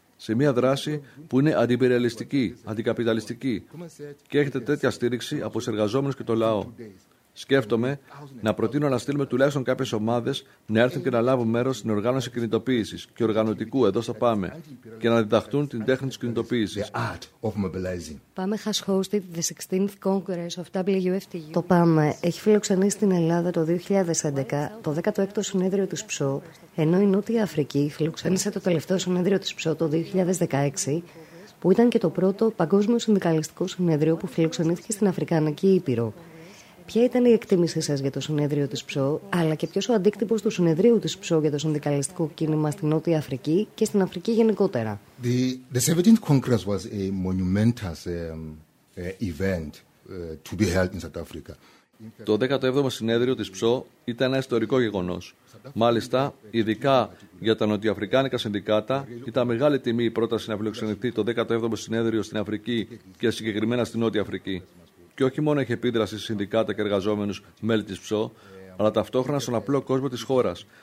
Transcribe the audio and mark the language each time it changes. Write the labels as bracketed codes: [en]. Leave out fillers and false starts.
[el] Σε μια δράση που είναι αντιπεριαλιστική, αντικαπιταλιστική και έχετε τέτοια στήριξη από τους εργαζόμενους και το λαό. Σκέφτομαι να προτείνω να στείλουμε τουλάχιστον κάποιες ομάδες να έρθουν και να λάβουν μέρος στην οργάνωση κινητοποίησης και οργανωτικού εδώ στο ΠΑΜΕ και να διδαχτούν την τέχνη της κινητοποίησης. [en] ΠΑΜΕ has hosted the 16th Congress of WFTU. [el] Το ΠΑΜΕ έχει φιλοξενήσει στην Ελλάδα το 2011 το 16ο συνέδριο της ΨΟ, ενώ η Νότια Αφρική φιλοξένησε το τελευταίο συνέδριο της ΨΟ το 2016, που ήταν και το πρώτο παγκόσμιο συνδικαλιστικό συνέδριο που φιλοξενήθηκε στην Αφρικανική Ήπειρο. Ποια ήταν η εκτίμησή σας για το συνέδριο της ΨΟ, αλλά και ποιος ο αντίκτυπος του συνεδρίου της ΨΟ για το συνδικαλιστικό κίνημα στην Νότια Αφρική και στην Αφρική γενικότερα? [en] The 17th Congress was a monumental event to be held in South Africa. [el] Το 17ο συνέδριο της ΨΟ ήταν ένα ιστορικό γεγονός. Μάλιστα, ειδικά για τα νοτιοαφρικάνικα συνδικάτα, ήταν μεγάλη τιμή η πρόταση να φιλοξενηθεί το 17ο συνέδριο στην Αφρική και συγκεκριμένα στην Νότια Αφρική. Και όχι μόνο έχει επίδραση σε συνδικάτα και εργαζόμενους μέλη της ΨΟ, αλλά ταυτόχρονα στον απλό κόσμο της χώρας.